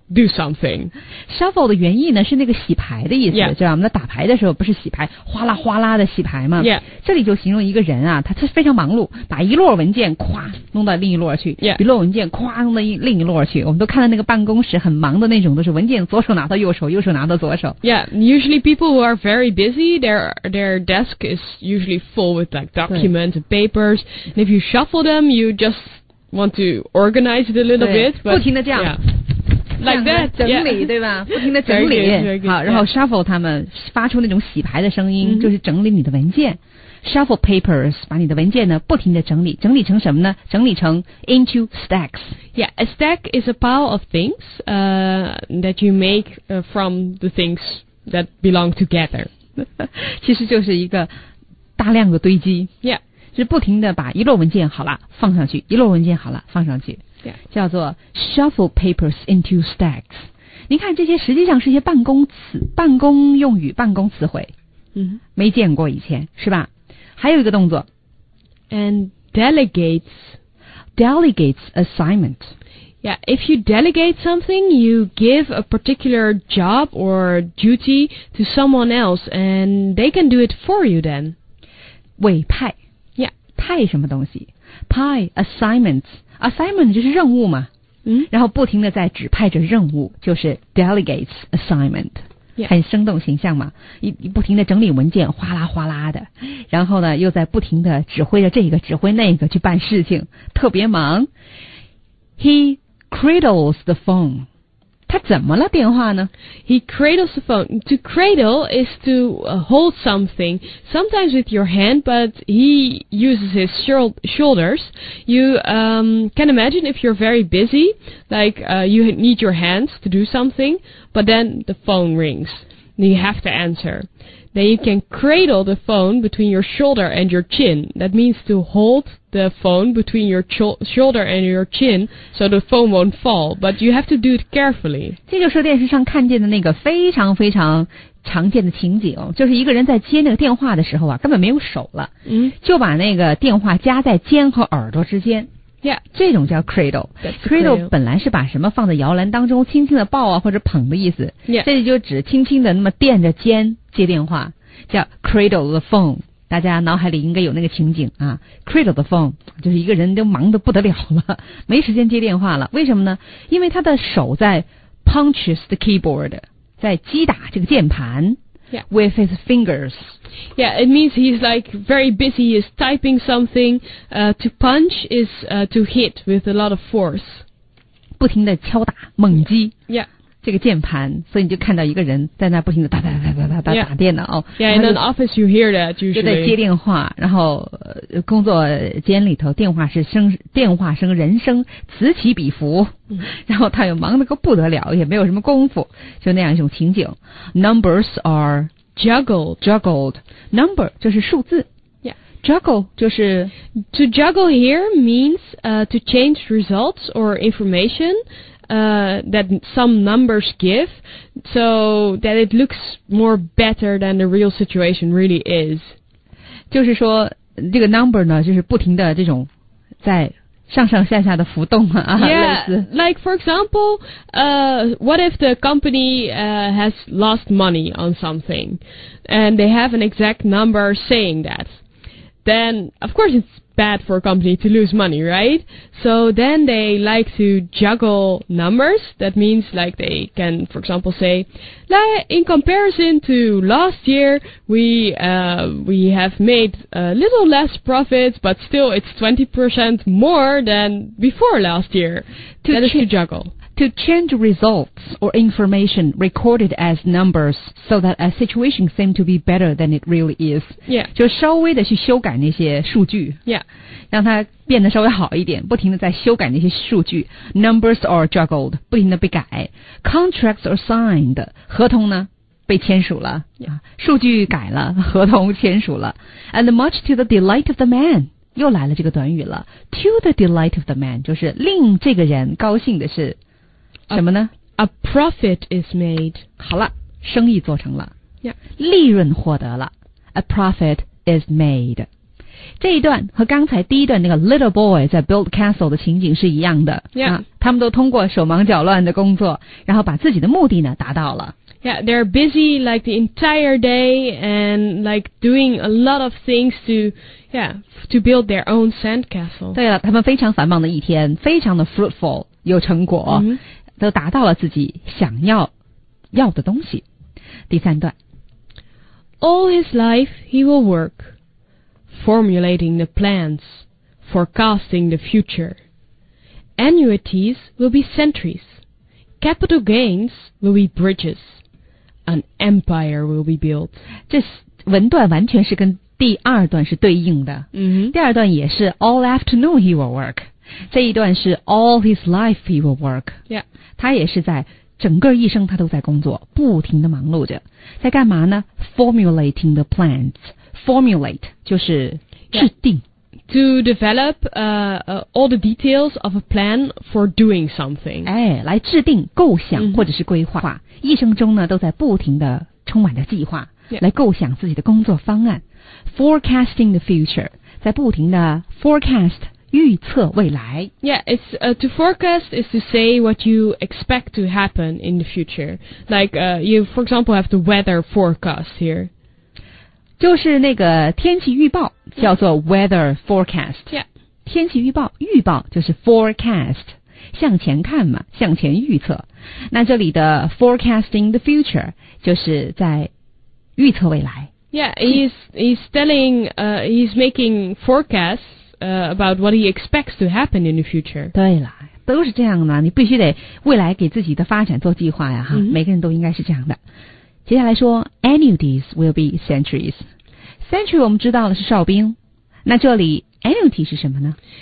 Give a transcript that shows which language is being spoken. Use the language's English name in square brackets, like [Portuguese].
[English] do something. [Chinese] Shuffle 的原意呢是那个洗牌的意思、 [English] yeah. [Chinese] 就像我们在打牌的时候不是洗牌哗啦哗啦的洗牌吗、 [English] yeah. [Chinese] 这里就形容一个人啊他非常忙碌把一摞文件夸弄到另一摞去、 [English] yeah. [Chinese] 一摞文件夸弄到另一摞去我们都看到那个办公室很忙的那种都是文件左手拿到右手右手拿到左手 [English] Yeah, usually people who are very busy their desk is usually full with like documents and papers and if you shuffle them you just want to organize it a little bit but, [Chinese] 不停的这样、 [English] yeah. Like that, [Chinese] 整理、 [English] yeah. [Chinese] 对吧？不停的整理， [English] very good, very good, [Chinese] 好，然后 shuffle 他们发出那种洗牌的声音， [English] mm-hmm. [Chinese] 就是整理你的文件 ， [English] shuffle papers， [Chinese] 把你的文件呢不停的整理，整理成什么呢？整理成 [English] into stacks. Yeah, a stack is a pile of things that you make from the things that belong together. [Chinese] 其实就是一个大量的堆积。 [English] Yeah, [Chinese] 就是不停的把一摞文件好了放上去，一摞文件好了放上去。 [English] Yeah. [Chinese] 叫做 [English] shuffle papers into stacks [Chinese] 您看这些实际上是一些办公词办公用语办公词汇、 [English] mm-hmm. [Chinese] 没见过以前是吧还有一个动作 [English] and delegates assignment yeah if you delegate something you give a particular job or duty to someone else and they can do it for you then [Chinese] 委派 [English] yeah [Chinese] 派什么东西派 assignmentsAssignment 就是任务嘛、嗯、然后不停地在指派着任务就是 [English] delegates assignment、 yeah. [Chinese] 很生动形象嘛一不停地整理文件哗啦哗啦的然后呢又在不停地指挥着这个指挥那个去办事情特别忙 [English] He cradles the phone [Chinese] 他怎么了电话呢 [English] He cradles the phone To cradle is to hold something Sometimes with your hand But he uses his shoulders You can imagine if you're very busy, like you need your hands to do something, but then the phone rings. And you have to answer. Then you can cradle the phone between your shoulder and your chin. That means to hold the phone between your shoulder and your chin so the phone won't fall. But you have to do it carefully. [Chinese] 这就是电视上看见的那个非常非常常见的情景就是一个人在接那个电话的时候啊根本没有手了嗯就把那个电话夹在肩和耳朵之间 [English] yeah [Chinese] 这种叫 cradle [English] cradle [Chinese] 本来是把什么放在摇篮当中轻轻的抱啊或者捧的意思、 [English] yeah. [Chinese] 这里就只轻轻的那么垫着肩接电话叫 [English] cradle the phone [Chinese] 大家脑海里应该有那个情景啊 cradle the phone 就是一个人都忙得不得了了没时间接电话了为什么呢因为他的手在 [English] punches the keyboard [Chinese] 在击打这个键盘 [English] yeah. with his fingers. Yeah, it means he's like very busy, he's typing something. To punch is to hit with a lot of force. [Chinese] 不停地敲打猛击 [English] yeah. [Chinese] 这个键盘所以你就看到一个人在那不停地打打打打打打、 [English] yeah. [Chinese] 打电脑、哦、 [English] Yeah, in an office you hear that usually. [Chinese] 就在接电话然后工作间里头电话声人声此起彼伏然后他又忙得个不得了也没有什么功夫就那样一种情景 [English] Numbers are juggled [Chinese] Number 就是数字、 [English] yeah. [Chinese] Juggle 就是 [English] To juggle here means to change results or information that some numbers give so that it looks more better than the real situation really is [Chinese] 就是说这个 number 呢就是不停的这种在上上下下的浮动啊 [English] yeah, like for example, what if the company, has lost money on something and they have an exact number saying that? Then, of course, it's bad for a company to lose money, right? So then they like to juggle numbers. That means like they can, for example, say, in comparison to last year, we have made a little less profits, but still it's 20% more than before last year. That is to juggle. To change results or information recorded as numbers so that a situation seems to be better than it really is. Yeah. [Chinese] 就稍微的去修改那些数据。 [English] Yeah. [Chinese] 让它变得稍微好一点不停地在修改那些数据。 [English] Numbers are juggled, [Chinese] 不停地被改。 [English] Contracts are signed, [Chinese] 合同呢被签署了。 [English] Yeah. [Chinese] 数据改了合同签署了。 [English] And much to the delight of the man. [Chinese] 又来了这个短语了 [English] To the delight of the man [Chinese] 就是令这个人高兴的是什么呢 [English] A profit is made [Chinese] 好了生意做成了、 [English] yeah. [Chinese] 利润获得了 [English] A profit is made [Chinese] 这一段和刚才第一段那个 [English] little boy [Chinese] 在 [English] build castle [Chinese] 的情景是一样的。 [English] Yeah. [Chinese] 他们都通过手忙脚乱的工作，然后把自己的目的呢达到了。 [English] Yeah, they're busy like the entire day and like doing a lot of things to, yeah, to build their own sand castle. [Chinese] 对了，他们非常繁忙的一天，非常的 fruitful, 有成果、 [English] mm-hmm. [Chinese] 都达到了自己想要的东西。第三段。 [English] All his life, he will work. Formulating the plans, forecasting the future. Annuities will be centuries. Capital gains will be bridges. An empire will be built. [Chinese] 这文段完全是跟第二段是对应的。 [English] Mm-hmm. [Chinese] 第二段也是 [English] all afternoon he will work. [Chinese] 这一段是 [English] all his life he will work. Yeah. [Chinese] 他也是在整个一生他都在工作，不停地忙碌着。在干嘛呢？ [English] Formulating the plans. [Chinese] Formulate 就是制定、 [English] yeah. To develop all the details of a plan for doing something [Chinese] 哎，来制定构想或者是规划、 [English] mm-hmm. [Chinese] 一生中呢都在不停的充满着计划、 [English] yeah. [Chinese] 来构想自己的工作方案 [English] Forecasting the future [Chinese] 在不停的 forecast 预测未来 [English] Yeah, it's, to forecast is to say what you expect to happen in the future Like you for example have the weather forecast here [Chinese] 就是那个天气预报叫做 weather forecast、 [English] yeah. [Chinese] 天气预报预报就是 forecast 向前看嘛向前预测那这里的 [English] forecasting the future [Chinese] 就是在预测未来 [English] Yeah, he's telling, he's making forecasts about what he expects to happen in the future [Chinese] 对啦都是这样的你必须得未来给自己的发展做计划呀哈、 [English] mm-hmm. [Chinese] 每个人都应该是这样的接下来说 [English] annuities will be centuries. [Chinese] Century 我们知道的是哨兵。那这里 annuity 是什么呢